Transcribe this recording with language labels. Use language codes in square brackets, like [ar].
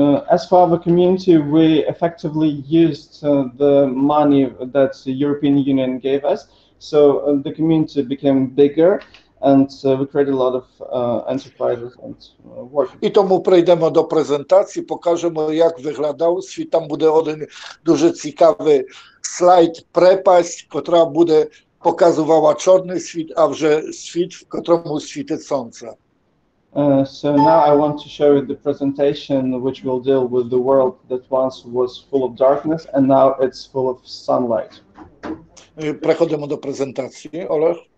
[en] As for our community, we effectively used the money that the European Union gave us, so the community became bigger and we created a lot of enterprises and work. [uk] І тому прийдемо до презентації, покажемо, як виглядав світ. Там буде один дуже цікавий слайд «Препасть», котра буде показувала чорний світ, а вже світ, в котрому світить сонце. [en] So now I want to show you the presentation which will deal with the world that once was full of darkness and now it's full of sunlight. [uk] Переходимо до презентації, Олег.